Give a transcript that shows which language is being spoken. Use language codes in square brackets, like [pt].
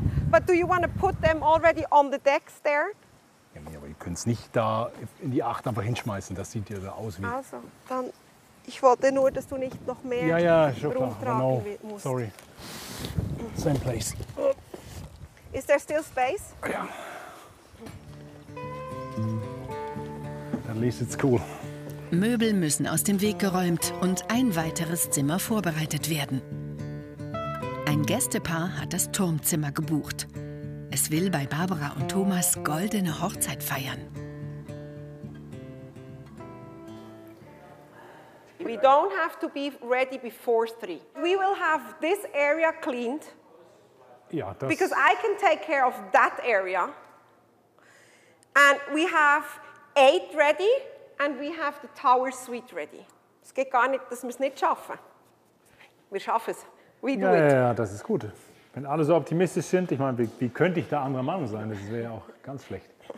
[en] But do you want to put them already on the decks there? [de] Ja, nee, aber ihr könnt es nicht da in die 8 einfach hinschmeißen. Das sieht ja so aus wie. Also, dann. Ich wollte nur, dass du nicht noch mehr. Ja, ja, schon klar. [en] No. Sorry. Same place. Is there still space? [de] Ja. [en] At least it's cool. [de] Möbel müssen aus dem Weg geräumt und ein weiteres Zimmer vorbereitet werden. Ein Gästepaar hat das Turmzimmer gebucht. Es will bei Barbara und Thomas goldene Hochzeit feiern. [en] We don't have to be ready before 3. We will have this area cleaned. [de] Ja, das. [en] Because I can take care of that area. And we have 8 ready and we have the tower suite ready. [de] Es geht gar nicht, dass wir es nicht schaffen. Wir schaffen es. Ja, das ist gut. Wenn alle so optimistisch sind, ich meine, wie könnte ich da anderer Meinung sein? Das wäre ja auch ganz schlecht.